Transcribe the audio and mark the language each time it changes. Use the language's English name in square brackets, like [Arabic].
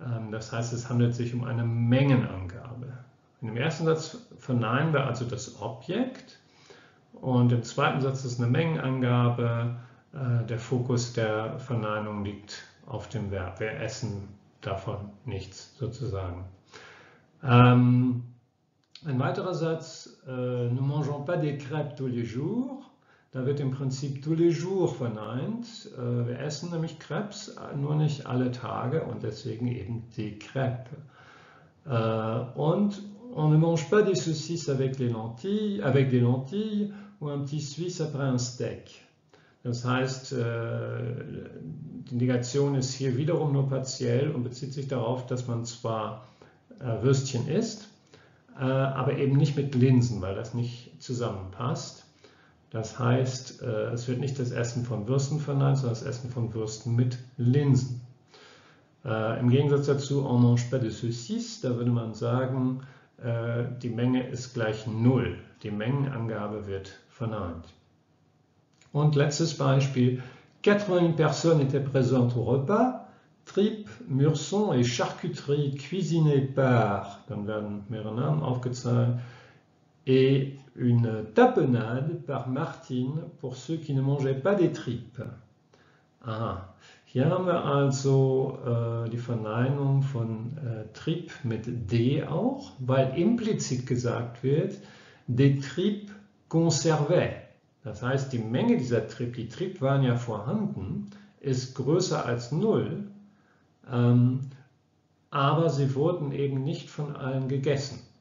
[German] Das heißt, es handelt sich um eine Mengenangabe. In dem ersten Satz verneinen wir also das Objekt und im zweiten Satz ist eine Mengenangabe. Der Fokus der Verneinung liegt auf dem Verb. Wir essen davon nichts sozusagen. Ein weiterer Satz, [French] nous mangeons pas des crêpes tous les jours. [German] Da wird im Prinzip [French] tous les jours [German] verneint. Wir essen nämlich Crêpes, nur nicht alle Tage und deswegen eben die Crêpes. [French] Und on ne mange pas des saucisses avec des lentilles ou un petit suisse après un steak. [German] Das heißt, die Negation ist hier wiederum nur partiell und bezieht sich darauf, dass man zwar Würstchen isst, aber eben nicht mit Linsen, weil das nicht zusammenpasst. Das heißt, es wird nicht das Essen von Würsten verneint, sondern das Essen von Würsten mit Linsen. Im Gegensatz dazu, [French] on mange pas de saucisses, [German] da würde man sagen, die Menge ist gleich Null. Die Mengenangabe wird verneint. Und letztes Beispiel: [French] 80 personnes étaient présentes au repas. Tripes, Mürsson et Charcuterie cuisinées par. [German] Dann werden mehrere Namen aufgezählt. [French] Et une tapenade par Martine pour ceux qui ne mangeaient pas des tripes. [German] Aha, hier haben wir also die Verneinung von Trip mit D auch, weil implizit gesagt wird, [French] des tripes conservaient. [German] Das heißt, die Menge dieser Trip, die Trip waren ja vorhanden, ist größer als 0, aber sie wurden eben nicht von allen gegessen.